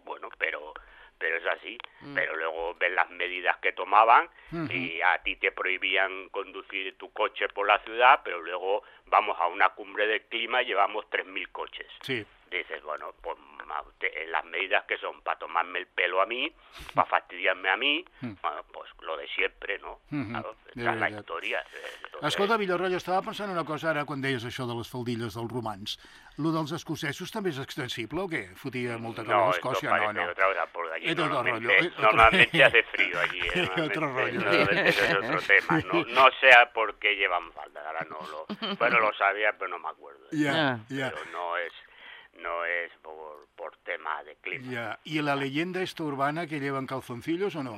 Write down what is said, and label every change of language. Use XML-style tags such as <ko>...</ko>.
<es>Bueno, pero es así. Pero luego ves las medidas que tomaban, y a ti te prohibían conducir tu coche por la ciudad, pero luego vamos a una cumbre del clima y llevamos 3.000 coches. Sí. Dices, bueno, pues las medidas que son para tomarme el pelo a mí, para fastidiarme a mí, bueno, pues lo de siempre, ¿no? Claro, la historia.</es> <ca>Escolta, Villarroya, estava pensant una cosa ara quan deies això de les faldilles dels romans. Lo dels escocesos també és extensible o què? Fotia molta calor a Escòcia?</ca> <es>No. Otra cosa, por allí. Es otro rollo. Normalmente hace frío allí. Otro rollo. Es otro tema. No sea porque llevan falda, ahora no lo... Bueno, lo sabía, pero no me acuerdo. Ya. Pero no es por tema de clima. Ya. ¿Y la leyenda esta urbana que llevan calzoncillos o no?</es>